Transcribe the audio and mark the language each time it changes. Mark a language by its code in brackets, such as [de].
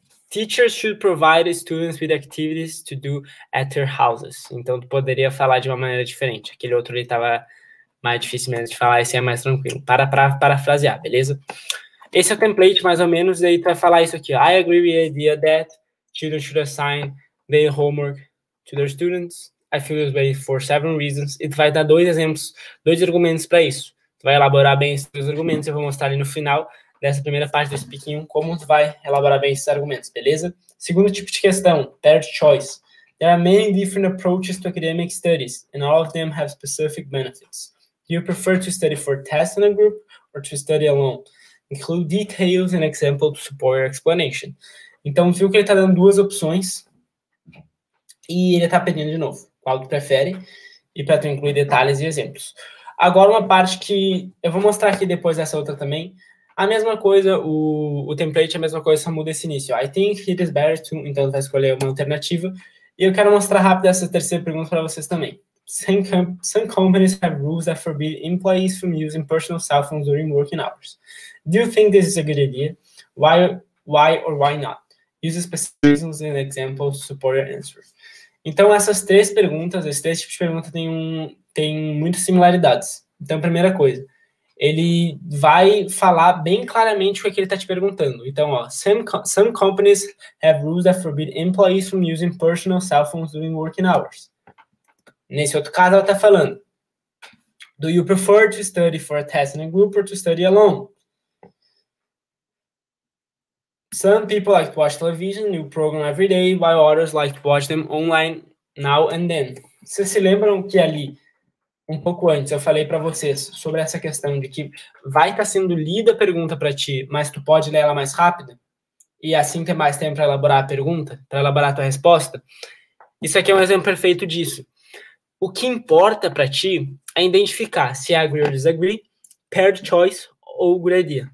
[en] Teachers should provide students with activities to do at their houses. [pt] Então, tu poderia falar de uma maneira diferente. Aquele outro ali estava mais difícil mesmo de falar. Esse é mais tranquilo. Parafrasear, beleza? esse é o template, mais ou menos, e aí tu vai falar isso aqui. [en] I agree with the idea that children should assign their homework to their students. I feel this way for several reasons. [pt] E tu vai dar dois exemplos, dois argumentos para isso. Tu vai elaborar bem esses dois argumentos. Eu vou mostrar ali no final dessa primeira parte do speaking 1 como tu vai elaborar bem esses argumentos, beleza? Segundo tipo de questão, [en] third choice. There are many different approaches to academic studies, and all of them have specific benefits. Do you prefer to study for tests in a group or to study alone? Include details and examples to support your explanation. [pt] Então, viu que ele está dando duas opções e ele está pedindo de novo. Qual tu prefere? E para tu incluir detalhes e exemplos. Agora, uma parte que eu vou mostrar aqui depois dessa outra também. A mesma coisa, o template é a mesma coisa, só muda esse início. [en] I think it is better to... [pt] Então, vai escolher uma alternativa. E eu quero mostrar rápido essa terceira pergunta para vocês também. [en] Some companies have rules that forbid employees from using personal cell phones during working hours. Do you think this is a good idea? Why or why not? Use specific reasons and examples to support your answer. [pt] Então, essas três perguntas, esses três tipos de perguntas têm muitas similaridades. Então, primeira coisa, ele vai falar bem claramente o que ele está te perguntando. Então, ó, [en] some companies have rules that forbid employees from using personal cell phones during working hours. [pt] Nesse outro caso, ela está falando, [en] do you prefer to study for a test in a group or to study alone? Some people like to watch television, new program every day, while others like to watch them online now and then. [pt] Vocês se lembram que ali, um pouco antes, eu falei para vocês sobre essa questão de que vai estar sendo lida a pergunta para ti, mas tu pode ler ela mais rápido? E assim ter mais tempo para elaborar a pergunta, para elaborar a tua resposta? Isso aqui é um exemplo perfeito disso. O que importa para ti é identificar se é agree ou disagree, paired choice ou good idea.